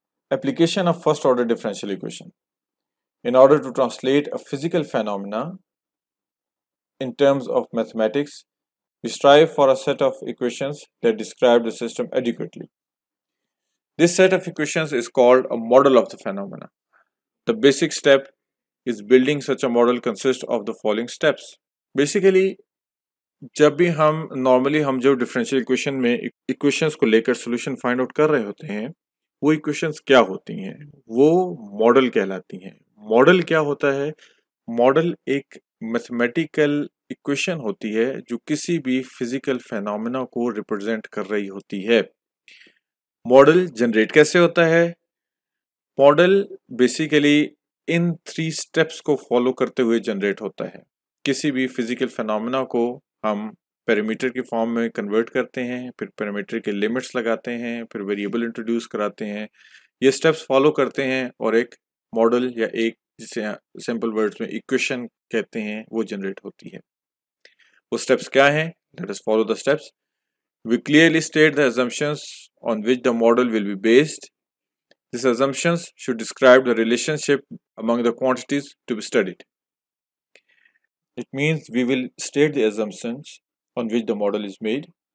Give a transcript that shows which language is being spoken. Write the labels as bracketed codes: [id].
[en] Application of first order differential equation. In order to translate a physical phenomena in terms of mathematics, we strive for a set of equations that describe the system adequately. This set of equations is called a model of the phenomena. The basic step is building such a model consists of the following steps. [hi] Basically, जब भी हम normally हम जो differential equation में equations को लेकर solution find out कर रहे होते हैं, वो इक्वेशंस क्या होती हैं, वो मॉडल कहलाती हैं. मॉडल क्या होता है? मॉडल एक मैथमेटिकल इक्वेशन होती है जो किसी भी फिजिकल फेनोमेना को रिप्रेजेंट कर रही होती है. मॉडल जनरेट कैसे होता है? Model basically in three steps को फॉलो करते हुए जनरेट होता है. किसी भी फिजिकल फेनोमेना को हम पैरामीटर के फॉर्म में कन्वर्ट करते हैं, फिर पैरामीटर के लिमिट्स लगाते हैं, फिर वेरिएबल इंट्रोड्यूस कराते हैं. ये स्टेप्स फॉलो करते हैं और एक मॉडल या एक, जिसे सिंपल वर्ड्स में इक्वेशन कहते हैं, वो जनरेट होती है. वो स्टेप्स क्या हैं? [en] Let us follow the steps. We clearly state the assumptions on which the model will be based. These assumptions should describe the relationship among the quantities to be studied. It means we will state the assumptions on which the model is made.